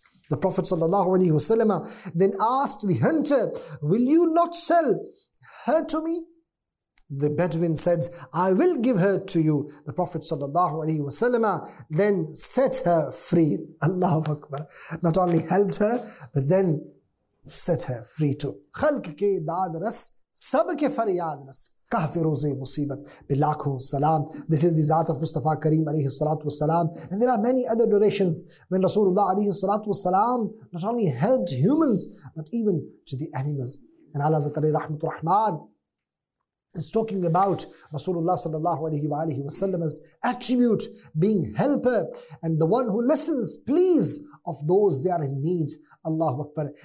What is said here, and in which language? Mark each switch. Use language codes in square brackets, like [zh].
[en] The Prophet sallallahu alaihi wasallam then asked the hunter, will you not sell her to me? The Bedouin said, I will give her to you. The Prophet sallallahu alaihi wasallam then set her free. Allahu Akbar. Not only helped her, but then set her free too. [ur] خلق کے داد رس سب کے فریاد رس کہف روزِ مصیبت بلاکھو سلام. [en] This is the ذات of Mustafa Kareem alayhi salatu wasalam. And there are many other narrations when Rasulullah alayhi salatu wasalam not only helped humans but even to the animals. And Allah Zakari Rahmatu Rahman is talking about Rasulullah sallallahu alayhi wa alayhi wa sallam's attribute being helper and the one who listens, please, of those they are in need. Allahu Akbar.